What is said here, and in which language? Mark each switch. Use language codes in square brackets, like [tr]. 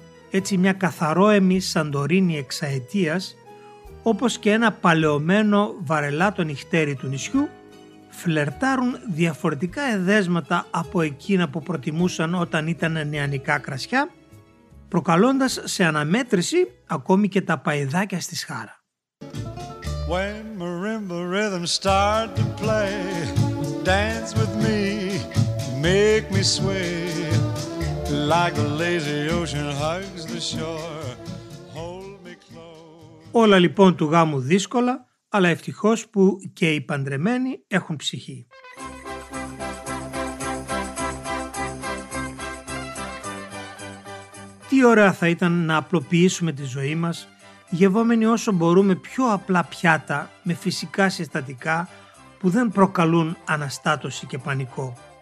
[el] Έτσι, μια καθαρόαιμη σαντορίνη εξαετίας, όπως και ένα παλαιωμένο βαρελά το νυχτέρι του νησιού, φλερτάρουν διαφορετικά εδέσματα από εκείνα που προτιμούσαν όταν ήταν νεανικά κρασιά, προκαλώντας σε αναμέτρηση ακόμη και τα παϊδάκια στη σχάρα. [en] When marimba rhythms start to play, dance with me, make me sway, like a lazy ocean hugs the shore, hold me close. [el] Όλα λοιπόν του γάμου δύσκολα, αλλά ευτυχώς που και οι παντρεμένοι έχουν ψυχή. Τι ωραία θα ήταν να απλοποιήσουμε τη ζωή μας, γευόμενοι όσο μπορούμε πιο απλά πιάτα με φυσικά συστατικά που δεν προκαλούν αναστάτωση και πανικό.